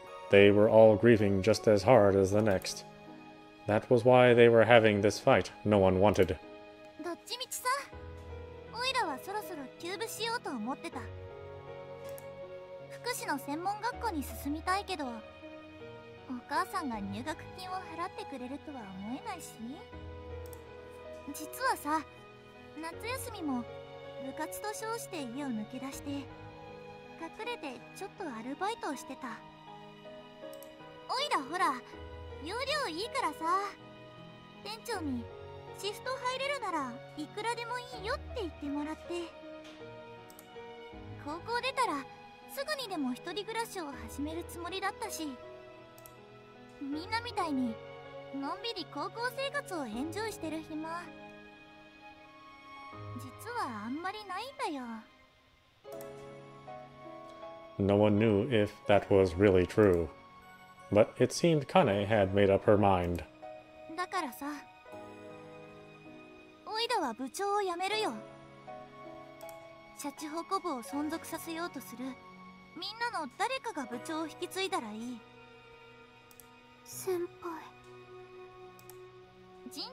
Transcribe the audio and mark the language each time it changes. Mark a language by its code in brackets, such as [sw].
[en] They were all grieving just as hard as the next. That was why they were having this fight no one wanted. [ja] どっちみちさ、オイラはそろそろ休部しようと思ってた。福祉の専門学校に進みたいけど、お母さんが入学金を払ってくれるとは思えないし。実はさ、夏休みも部活と称して家を抜け出して隠れてちょっとアルバイトをしてた。おいらほら容量いいからさ、店長にシフト入れるならいくらでもいいよって言ってもらって、高校出たらすぐにでも一人暮らしを始めるつもりだったし、みんなみたいにのんびり高校生活をエンジョイしてる暇実はあんまりないんだよ。 [en] No one knew if that was really true, but it seemed Kane had made up her mind. [ja] だからさ、オイラは部長を辞めるよ。シャチホコ部を存続させようとするみんなの誰かが部長を引き継いだらいい。先輩、